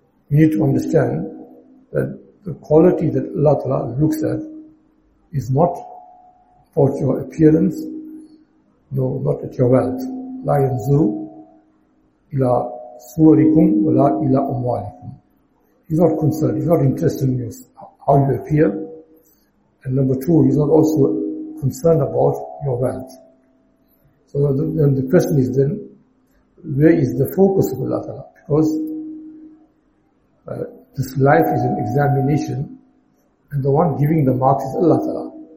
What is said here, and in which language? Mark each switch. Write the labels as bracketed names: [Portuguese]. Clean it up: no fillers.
[English] We need to understand that the quality that Allah Ta'ala looks at is not about your appearance, no, not at your wealth. [Arabic] لا ينظر إلى صوركم ولا إلى أموالكم. [English] He's not concerned, he's not interested in how you appear. And number two, he's not also concerned about your wealth. So then the question is then, where is the focus of Allah Ta'ala? Because this life is an examination, and the one giving the marks is Allah Ta'ala.